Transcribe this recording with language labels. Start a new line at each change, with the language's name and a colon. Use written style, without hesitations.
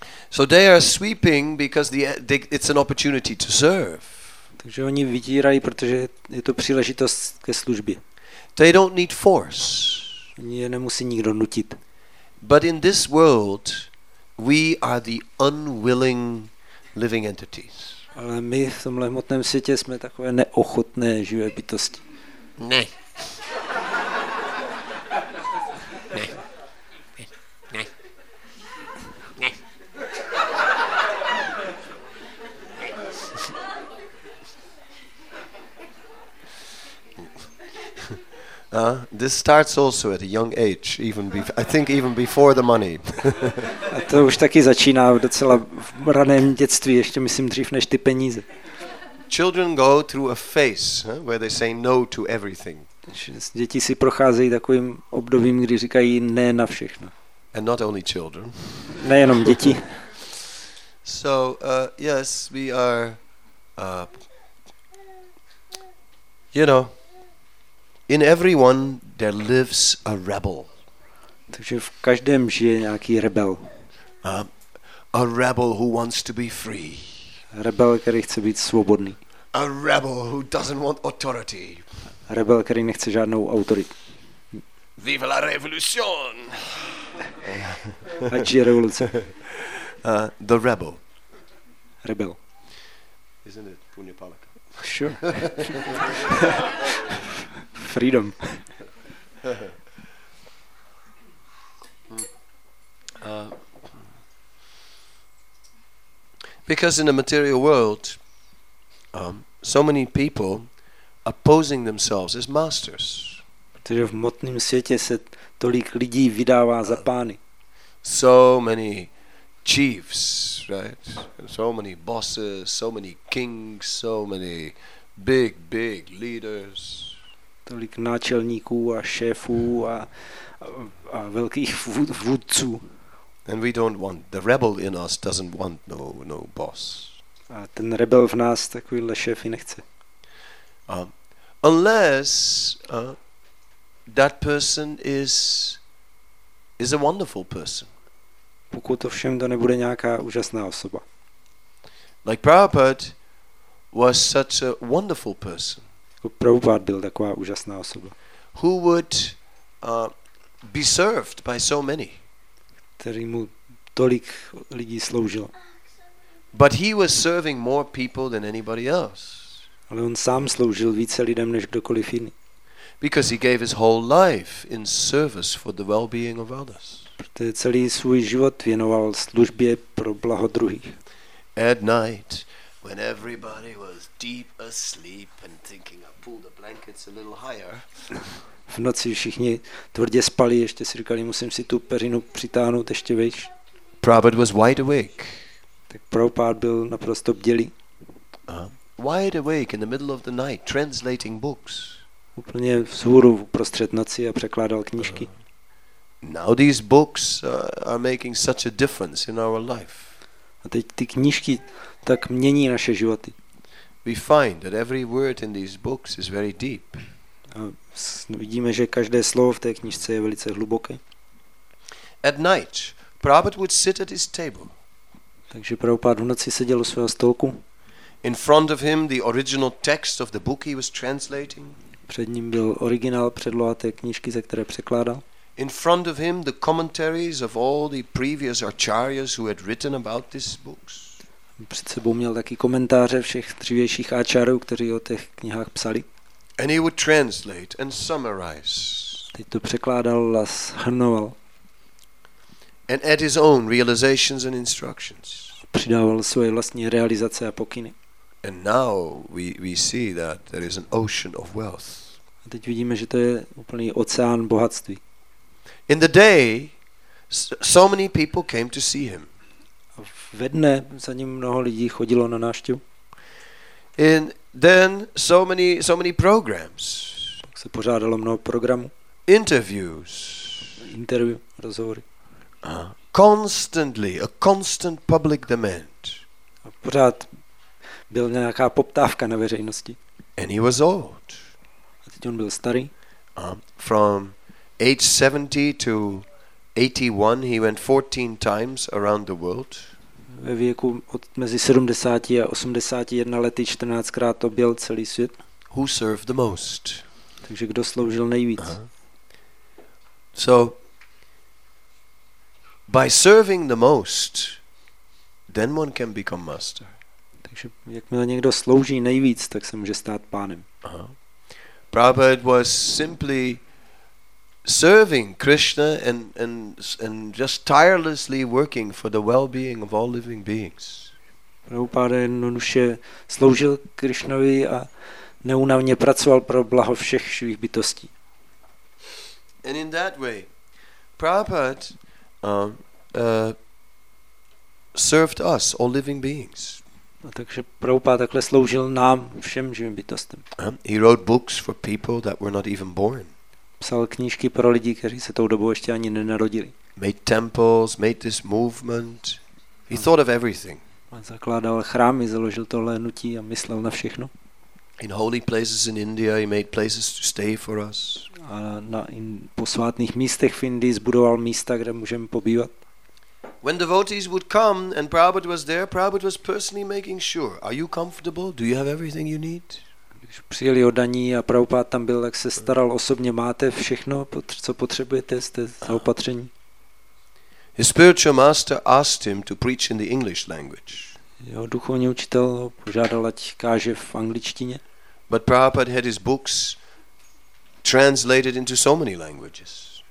English: So they are sweeping because it's an opportunity to serve.
Czech: Takže oni vytírají, protože je to příležitost ke službě.
English: They don't need force.
Czech: Oni je nemusí nikdo nutit.
English: But in this world we are the unwilling living entities.
Czech: Ale my v tomhle hmotném světě jsme takové neochotné živé bytosti. Ne.
English: This starts also at a young age, even before the money.
Czech: A to už taky začíná docela v raném dětství, ještě myslím dřív než ty peníze.
English: Children go through a phase, where they say no to everything.
Czech: Děti si procházejí takovým obdobím, kdy říkají ne na všechno.
English: And not only children.
Czech: Nejenom děti.
English: So, yes, we are you know, in everyone there lives a rebel.
Czech: Takže v každém žije nějaký rebel.
English: A rebel who wants to be free.
Czech: Rebel, který chce být svobodný.
English: A rebel who doesn't want authority.
Czech: Rebel, který nechce žádnou autoritu.
French: Vive la revolution.
Czech: Ať je revoluce.
English: The rebel.
Czech: Rebel.
English: Isn't it Punya Palaka? Sure. Freedom. Because in the material world, so many people opposing themselves as masters.
Czech: Protože v hmotném světě se tolik lidí vydává za pány.
English: So many chiefs, right? So many bosses, so many kings, so many big, big leaders.
Czech: Tolik náčelníků a šéfů a velkých vůdců.
English: And we don't want, the rebel in us doesn't want no, no boss.
Czech: A ten rebel v nás takovýhle šéfy nechce.
English: Unless that person is a wonderful person.
Czech: Pokud ovšem to nebude nějaká úžasná osoba.
English: Like Prabhupada was such a wonderful person.
Czech: Prabhupada byl taková úžasná osoba.
English: Who would be served by so many.
Czech: Který mu tolik lidí sloužil.
English: But he was serving more people than anybody else.
Czech: Ale on sám sloužil více lidem než kdokoliv jiný.
English: Because he gave his whole life in service for the well-being of others.
Czech: Protože celý svůj život věnoval službě pro blaho druhých.
English: At night, when everybody was deep asleep and thinking I'll pull the blankets a little higher.
Czech: V noci všichni tvrdě spali, ještě si říkali, musím si tu perinu přitáhnout ještě vejš.
English: Prabhupada was wide awake.
Czech: Tak Prabhupada byl naprosto bdělý.
English: Wide awake in the middle of the night, translating books.
Czech: Úplně vzhůru uprostřed noci a překládal knížky.
English: Now these books are making such a difference in our life.
Czech: A teď ty knížky tak mění naše životy.
English: We find that every word in these books is very deep.
Czech: A vidíme, že každé slovo v té knížce je velice hluboké.
English: At night, Prabhupada would sit at his table.
Czech: Takže Prabhupada v noci seděl u svého stolku.
English: In front of him the original text of the book he was translating.
Czech: Před ním byl originál předloha té knížky, ze které překládal.
English: In front of him the commentaries of all the previous acharyas who had written about these books.
Czech: Před sebou měl taky komentáře všech dřívějších áčarů, kteří o těch knihách psali.
English: And he would translate and summarize.
Czech: Teď to překládal a shrnoval.
English: And add his own realizations and instructions.
Czech: Přidával svoje vlastní realizace a pokyny.
English: And now we see that there is an ocean of wealth.
Czech: A teď vidíme, že to je úplný oceán bohatství.
English: In the day, so many people came to see him.
Czech: A ve dne za ním mnoho lidí chodilo na návštěvu.
English: And then so many programs.
Czech: Pak se pořádalo mnoho programů.
English: Interviews.
Czech: Interview, rozhovory.
English: Constantly, a constant public demand.
Czech: A pořád byl nějaká poptávka na veřejnosti.
English: And he was old.
Czech: A teď on byl starý.
English: From age 70 to 81 he went 14 times around the world.
Czech: Ve věku od mezi 70 a 81 lety 14krát objel celý svět.
English: Who served the most?
Czech: Takže kdo sloužil nejvíc?
English: So by serving the most, then one can become master.
Czech: Takže jakmile někdo slouží nejvíc, tak se může stát pánem.
English: Prabhupada was simply serving Krishna and just tirelessly working for the well-being of all living beings.
Czech: Prabhupada jednoduše sloužil Krishnovi a neunavně pracoval pro blaho všech živých bytostí.
English: And in that way, Prabhupada served us, all living beings.
Czech: A takže Prabhupada takhle sloužil nám, všem živým bytostem.
English: He wrote books for people that were not even born.
Czech: Psal knížky pro lidi, kteří se tou dobou ještě ani nenarodili.
English: Made temples, made this movement. He thought of everything.
Czech: On zakládal chrámy, založil tohle hnutí a myslel na všechno.
English: In holy places in India, he made places to stay for us.
Czech: A na posvátných místech v Indii zbudoval místa, kde můžeme pobývat.
English: When devotees would come and Prabhupada was there, Prabhupada was personally making sure, are you comfortable? Do you have everything you need?
Czech: Když přijeli oddaní a Prabhupada tam byl, tak se staral osobně, máte všechno, co potřebujete, jste zaopatření.
English: His spiritual master asked him to preach in the English language.
Czech: Jeho duchovní učitel ho požádal, ať káže v angličtině.
English: But Prabhupada had his books translated into so many languages.